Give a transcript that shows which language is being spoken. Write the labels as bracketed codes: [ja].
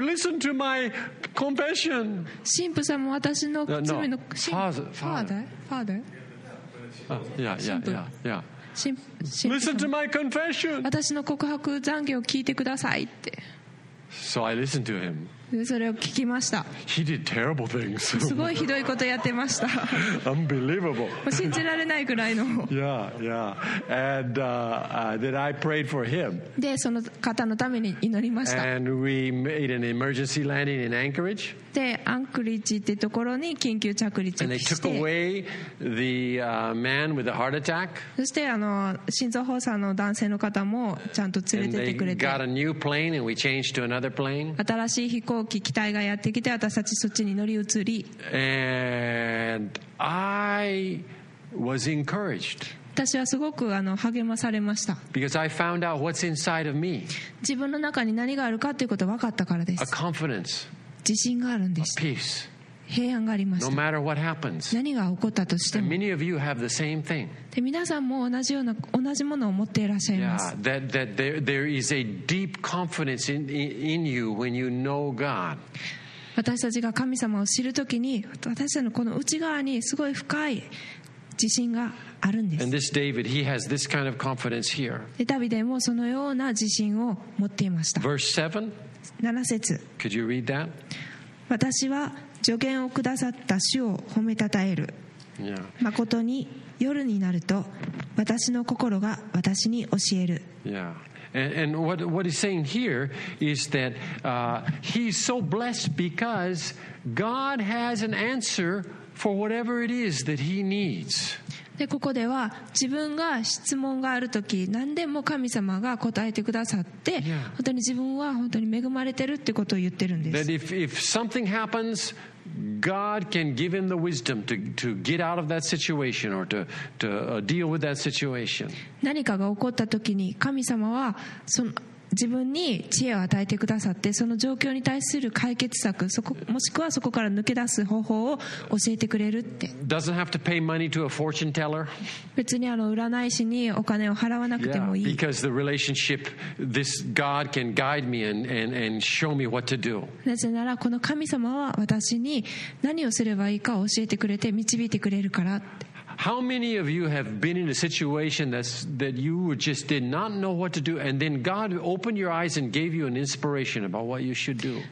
[en] Listen to my confession. [ja] 神父さんも私の罪の [en] father. Father. Yeah. Listen to my confession. [ja] 私の告白懺悔を聞いてくださいって。 [en] So I listened to him. [ja] それを聞きました。 [en] He did terrible things. [ja] すごいひどいことやってました。 [en] Unbelievable. [ja] 信じられないくらいの。 [en] Yeah, yeah. And then I prayed for him. [ja] で、その方のために祈りました。 [en] And we made an emergency landing in Anchorage. [ja] で、アンクリッジってところに緊急着陸して。 [en] And they took away the man with a heart attack. [ja] そして、あの心臓発作の男性の方もちゃんと連れてってくれて。 [en] And they got a new plane and we changed to another plane. [ja] 新しい飛行機機体がやってきて私たちそっちに乗り移り [en] And I was encouraged. [ja] 私はすごくあの励まされました [en] Because I found out what's inside of me. [ja] 自分の中に何があるかということが分かったからです [en] A confidence. [ja] 自信があるんです [en] A peace. [ja] 平安がありました [en] No matter what happens. [ja] 何が起こったとしても [en] And many of you have the same thing. [ja] で皆さんも同じような同じものを持っていらっしゃいます。 [en] Yeah, that there is a deep confidence in you when you know God. [ja] 私たちが神様を知るときに私たちのこの内側にすごい深い自信があるんです。 [en] And this David, he has this kind of confidence here. [ja] でダビデもそのような自信を持っていました。 [en] Verse [ja] 7. 7節。 [en] Could you read that? [ja] 私は助言をくださった主を褒めたたえる。まことに夜になると私の心が私に教える。 [en] Yeah. And what he's saying here is that he's so blessed because God has an answer for whatever it is that he needs. [ja] でここでは自分が質問があるとき何でも神様が答えてくださって、 [en] yeah. [ja] 本当に自分は本当に恵まれてるってことを言ってるんです。 [en] That if something happens,God can give him the wisdom to get out of that situation or to deal with that situation. [ja] 何かが起こった時に神様はその自分に知恵を与えてくださってその状況に対する解決策そこもしくはそこから抜け出す方法を教えてくれるって [en] Doesn't have to pay money to a fortune teller. [ja] 別にあの占い師にお金を払わなくてもいい [en] yeah, Because the relationship this God can guide me and show me what to do. [ja] なぜならこの神様は私に何をすればいいかを教えてくれて導いてくれるからって [en] How many of you have been in a situation that you just did not know what to do and then God opened your eyes and gave you an inspiration about what you should do?